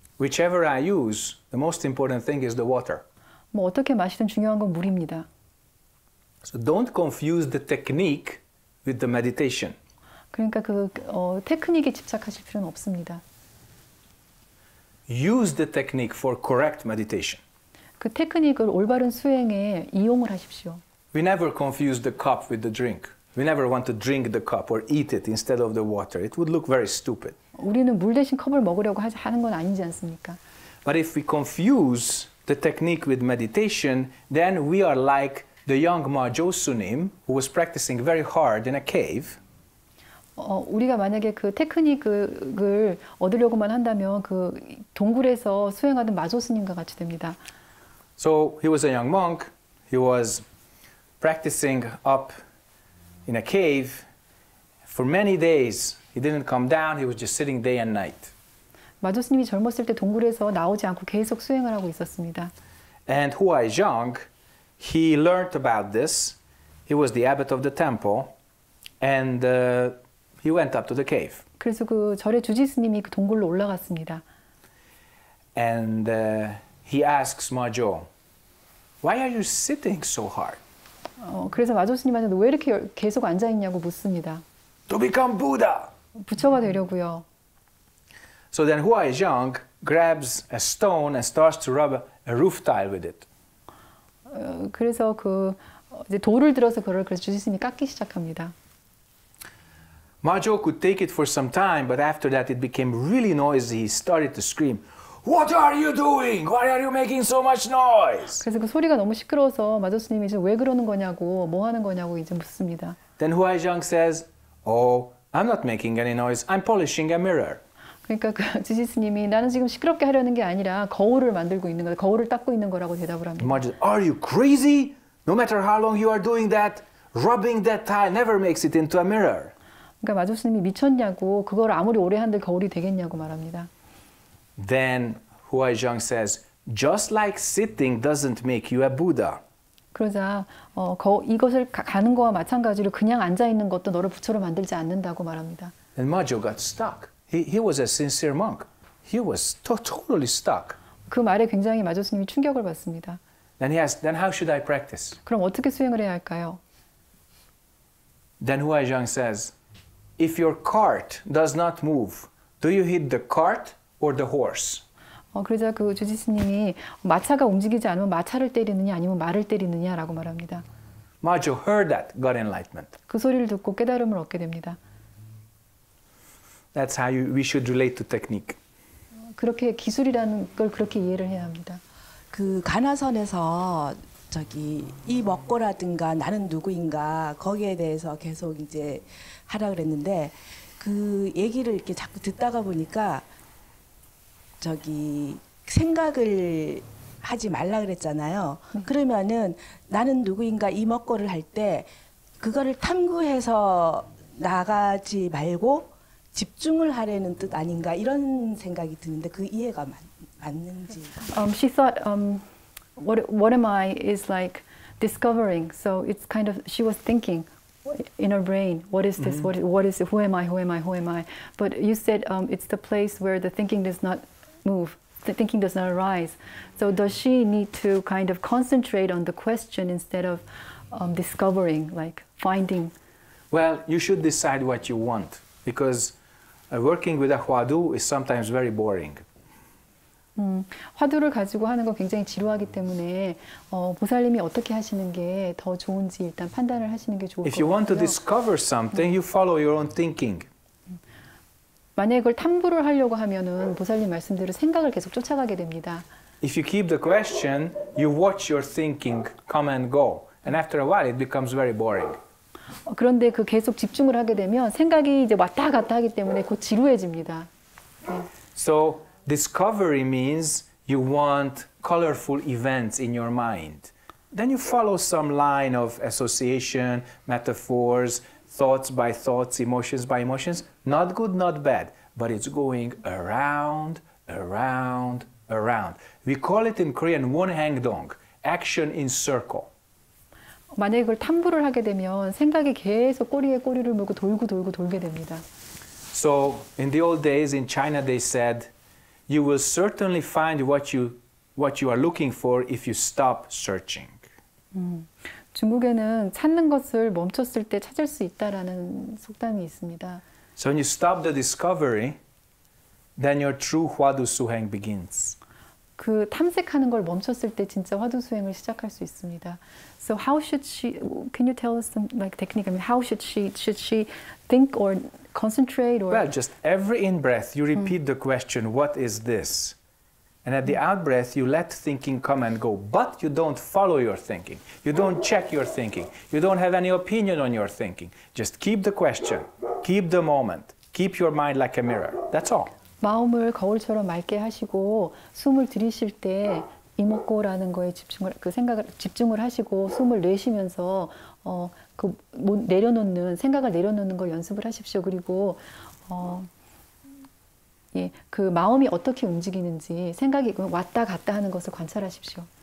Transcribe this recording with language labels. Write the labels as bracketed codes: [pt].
[en] Whichever I use, the most important thing is the water. [ko] 뭐 어떻게 마시든 중요한 건 물입니다. [en] So don't confuse the technique with the meditation. [ko] 그러니까 그 테크닉에 집착하실 필요는 없습니다. [en] Use the technique for correct meditation. [ko] 그 테크닉을 올바른 수행에 이용을 하십시오. [en] We never confuse the cup with the drink. We never want to drink the cup or eat it instead of the water. It would look very stupid. [ko] 우리는 물 대신 컵을 먹으려고 하는 건 아니지 않습니까? [en] But if we confuse the technique with meditation, then we are like the young Mahjong-sunim who was practicing very hard in a cave. [ko] 우리가 만약에 그 테크닉을 얻으려고만 한다면 그 동굴에서 수행하던 마조 스님과 같이 됩니다. [en] So he was a young monk. He was practicing up in a cave for many days. He didn't come down. He was just sitting day and night. [ko] 마조 스님이 젊었을 때 동굴에서 나오지 않고 계속 수행을 하고 있었습니다. [en] And Hua Zhang, he learned about this. He was the abbot of the temple and He went up to the cave. [ko] 그래서 그 절의 주지 스님이 그 동굴로 올라갔습니다. [en] And he asks Majo, "Why are you sitting so hard?" [ko] 그래서 마조 스님한테 왜 이렇게 계속 앉아 있냐고 묻습니다. [en] "To become Buddha." [ko] 부처가 되려고요. [en] So then Hua Zhang grabs a stone and starts to rub a roof tile with it. [ko] 그래서 그 이제 돌을 들어서 그걸 그래서 주지 스님이 깎기 시작합니다. [en] Majo could take it for some time, but after that it became really noisy. He started to scream, "What are you doing? Why are you making so much noise?" [ko] 그래서 그 소리가 너무 시끄러워서 마조 스님이 이제 왜 그러는 거냐고 뭐 하는 거냐고 이제 묻습니다. [en] Then Hua Zhang says, "Oh, I'm not making any noise. I'm polishing a mirror." [ko] 그러니까 그 주지 스님이 나는 지금 시끄럽게 하려는 게 아니라 거울을 만들고 있는 거다. 거울을 닦고 있는 거라고 대답을 합니다. [en] Majo, "Are you crazy? No matter how long you are doing that, rubbing that tile never makes it into a mirror." [ko] 그러니까 마조 스님이 미쳤냐고 그걸 아무리 오래 한들 거울이 되겠냐고 말합니다. [en] Then Hua Zhang says, "Just like sitting doesn't make you a Buddha." [ko] 그러자 이것을 가는 거와 마찬가지로 그냥 앉아 있는 것도 너를 부처로 만들지 않는다고 말합니다. [en] And Majo got stuck. He was a sincere monk. He was totally stuck. [ko] 그 말에 굉장히 마조 스님이 충격을 받습니다. [en] Then he asked, "Then how should I practice?" [ko] 그럼 어떻게 수행을 해야 할까요? [en] Then Hua Zhang says, "If your cart does not move, do you hit the cart or the horse?" [ko] 그러자 그 주지 스님이 마차가 움직이지 않으면 마차를 때리느냐 아니면 말을 때리느냐라고 말합니다. [en] Majo heard that, got enlightenment. [ko] 그 소리를 듣고 깨달음을 얻게 됩니다. [en] That's how we should relate to technique. [ko] 그렇게 기술이라는 걸 그렇게 이해를 해야 합니다. 그 가나선에서 저기 이 먹거라든가 나는 누구인가 거기에 대해서 계속 이제 하라 그랬는데 그 얘기를 이렇게 자꾸 듣다가 보니까 저기 생각을 하지 말라 그랬잖아요. 그러면은 나는 누구인가 이 먹거를 할 때 그거를 탐구해서 나가지 말고 집중을 하려는 뜻 아닌가 이런 생각이 드는데 그 이해가 맞는지. [en] She thought what am I is like discovering. So it's kind of she was thinking in her brain, what is this? Mm-hmm. What is it? Who am I? Who am I? Who am I? But you said it's the place where the thinking does not move, the thinking does not arise. So does she need to kind of concentrate on the question instead of discovering, like finding? Well, you should decide what you want because working with a Huadu is sometimes very boring. [ko] 화두를 가지고 하는 거 굉장히 지루하기 때문에 보살님이 어떻게 하시는 게 더 좋은지 일단 판단을 하시는 게 좋을 것 같아요. [en] If you want to discover something, you follow your own thinking. [ko] 만약에 그걸 탐구를 하려고 하면은 보살님 말씀대로 생각을 계속 쫓아가게 됩니다. [en] If you keep the question, you watch your thinking come and go. And after a while, it becomes very boring. [ko] 그런데 그 계속 집중을 하게 되면 생각이 이제 왔다 갔다 하기 때문에 곧 지루해집니다. 네. [en] So discovery means you want colorful events in your mind. Then you follow some line of association, metaphors, thoughts by thoughts, emotions by emotions. Not good, not bad, but it's going around, around, around. We call it in Korean 원행동, action in circle. [ko] 만약에 그걸 탐구를 하게 되면 생각이 계속 꼬리에 꼬리를 물고 돌고 돌고 돌게 됩니다. [en] So in the old days in China they said you will certainly find what you are looking for if you stop searching. [ko] 중국에는 찾는 것을 멈췄을 때 찾을 수 있다라는 속담이 있습니다. [en] So when you stop the discovery then your true 화두수행 begins. [ko] 그 탐색하는 걸 멈췄을 때 진짜 화두수행을 시작할 수 있습니다. [en] So how should she, can you tell us some like technique? I mean, how should she think or concentrate or? Well, just every in-breath, you repeat the question, what is this? And at the out-breath, you let thinking come and go, but you don't follow your thinking. You don't check your thinking. You don't have any opinion on your thinking. Just keep the question, keep the moment, keep your mind like a mirror. That's all. [ko] 마음을 거울처럼 맑게 하시고 숨을 들이쉴 때 이목고라는 거에 집중을 그 생각을 집중을 하시고 숨을 내쉬면서 그 내려놓는 생각을 내려놓는 걸 연습을 하십시오. 그리고 예, 그 마음이 어떻게 움직이는지 생각이 왔다 갔다 하는 것을 관찰하십시오.